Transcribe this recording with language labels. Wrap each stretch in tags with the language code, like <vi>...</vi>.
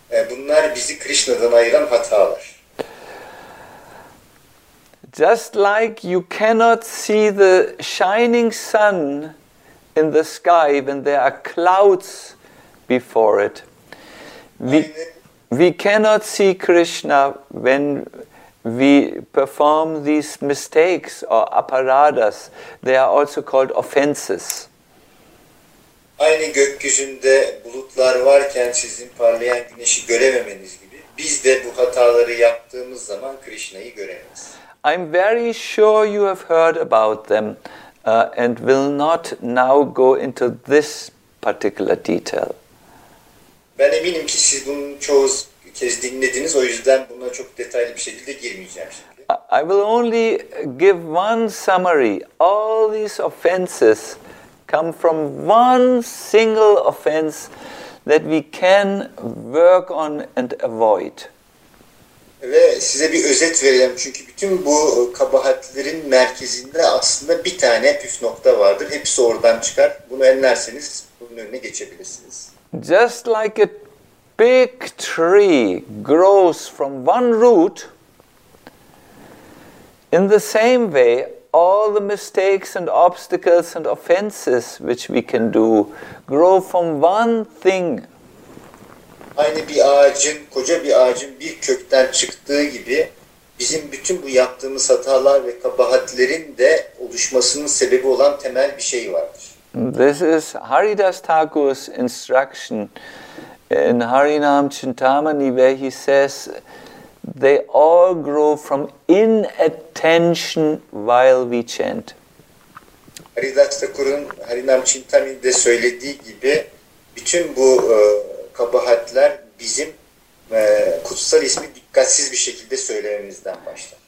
<tr>Bunlar bizi Krishna'dan ayıran hatalar.</tr> <en>Just like you cannot see the shining sun in the sky when there are clouds before it, we cannot see Krishna when we perform these mistakes or aparadas. They are also called offenses.</en> <tr>Aynı gökyüzünde bulutlar varken sizin parlayan güneşi görememeniz gibi, biz de bu hataları yaptığımız zaman Krishna'yı göremeyiz.</tr> <en>I'm very sure you have heard about them and will not now go into this particular detail.</en> <tr>Ben eminim ki siz bunu çoğu kez dinlediniz, o yüzden buna çok detaylı bir şekilde girmeyeceğim şimdi.</tr> <en>I will only give one summary. All these offenses come from one single offense that we can work on and avoid.</en> <tr>Ve size bir özet vereceğim çünkü bütün bu kabahatlerin merkezinde aslında bir tane püf nokta vardır. Hepsi oradan çıkar. Bunu enlerseniz bunun önüne geçebilirsiniz.</tr> <en>Just like a big tree grows from one root, in the same way all the mistakes and obstacles and offenses which we can do grow from one thing.</en> <tr>Aynı bir ağacın, koca bir ağacın bir kökten çıktığı gibi bizim bütün bu yaptığımız hatalar ve kabahatlerin de oluşmasının sebebi olan temel bir şey vardır.</tr> <en>This is Haridas Thakur's instruction in Harinam Chintamani where he says they all grow from inattention while we chant.</en> <tr>Haridas Thakur'un Harinam Chintamani'de söylediği gibi bütün bu kabahatler bizim kutsal ismi dikkatsiz bir şekilde söylememizden başlar.</tr>